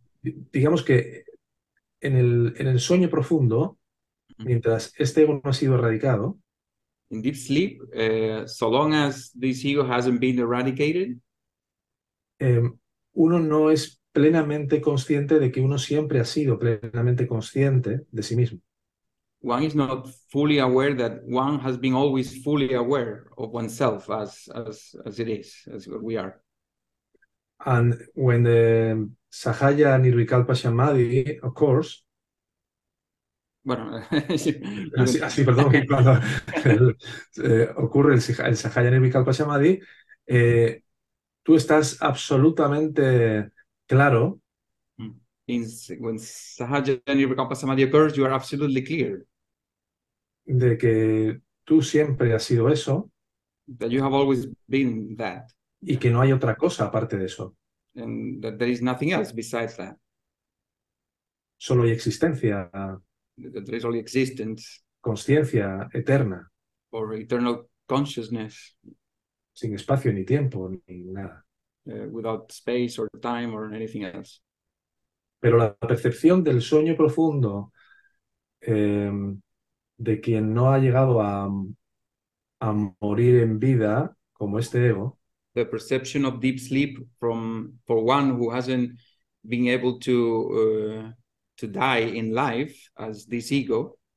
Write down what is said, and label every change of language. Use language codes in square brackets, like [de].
[es] Digamos que en el sueño profundo, mientras este ego no ha sido erradicado, [en] in deep sleep, so long as this ego hasn't been eradicated, [es] uno no es plenamente consciente de que uno siempre ha sido plenamente consciente de sí mismo. [en] one is not fully aware that one has been always fully aware of oneself as it is, as what we are. And when the Sahaja Nirvikalpa Samadhi occurs, [es] ocurre el Sahaja Nirvikalpa Samadhi, tú estás absolutamente claro. [en] When Sahaja Nirvikalpa Samadhi occurs, you are absolutely clear. [es] De que tú siempre has sido eso. [en] That you have always been that. [es] Y que no hay otra cosa aparte de eso. [en] And that there is nothing else besides that. [es] Solo hay existencia. [en] That there is only existence. [es] Consciencia eterna. [en] Or eternal consciousness. [es] Sin espacio ni tiempo ni nada. [en] Without space or time or anything else. [es] Pero la percepción del sueño profundo de quien no ha llegado a morir en vida como este ego. [en] The perception of deep sleep for one who hasn't been able to die in life as this ego.